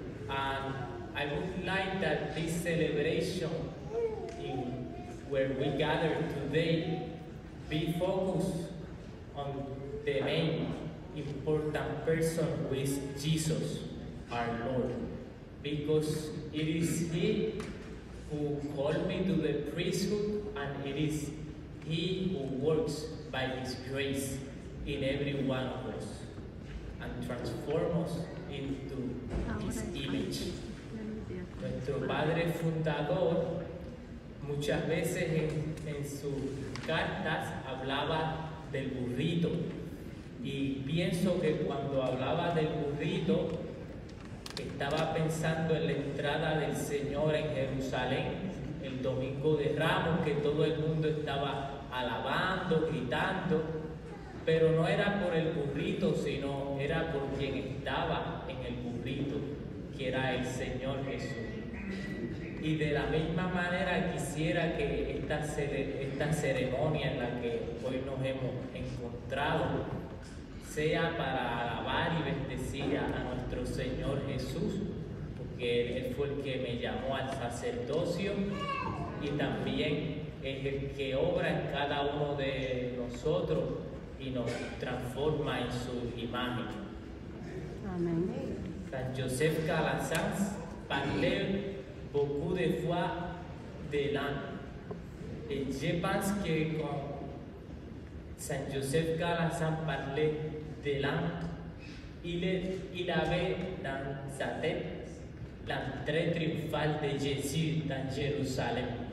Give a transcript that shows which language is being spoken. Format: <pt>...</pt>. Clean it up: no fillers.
<en>And I would like that this celebration in where we gather today be focused on the main important person, who is Jesus, our Lord, because it is He who called me to the priesthood, and it is He who works by His grace in every one of us and transforms us into His image.</en> <es>Nuestro Padre Fundador muchas veces en sus cartas hablaba del burrito, y pienso que cuando hablaba del burrito estaba pensando en la entrada del Señor en Jerusalén el Domingo de Ramos, que todo el mundo estaba alabando, gritando, pero no era por el burrito, sino era por quien estaba en el burrito, que era el Señor Jesús. Y de la misma manera quisiera que esta ceremonia en la que hoy nos hemos encontrado sea para alabar y bendecir a nuestro Señor Jesús, porque Él fue el que me llamó al sacerdocio y también es el que obra en cada uno de nosotros y nos transforma en su imagen. Amén.</es> <fr>San Joseph Calasanz parle beaucoup de fois de l'âme. Et je pense que quand Saint Joseph Calasanz parlait de l'âme, il avait dans sa tête l'entrée triomphale de Jésus dans Jérusalem.</fr>